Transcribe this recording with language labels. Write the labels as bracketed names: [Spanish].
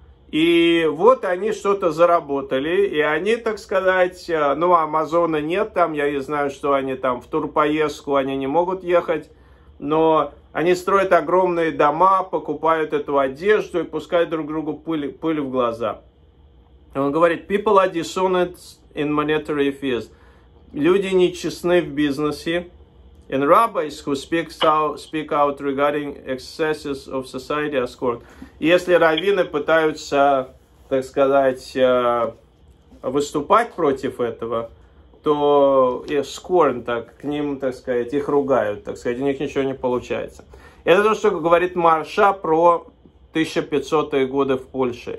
[Russian] И вот они что-то заработали, и они, так сказать, ну, Амазона нет там, я не знаю, что они там в турпоездку, они не могут ехать, но они строят огромные дома, покупают эту одежду и пускают друг другу пыль в глаза. Он говорит, [English] people are dishonest in monetary affairs. [Russian] Люди нечестны в бизнесе. [English] And rabbis who speak out regarding excesses of society are scorned. [Russian] Если раввины пытаются, так сказать, выступать против этого, то [English] scorned, [Russian] так к ним, так сказать, их ругают, так сказать, у них ничего не получается. Это то, что говорит Марша про 1500-е годы в Польше.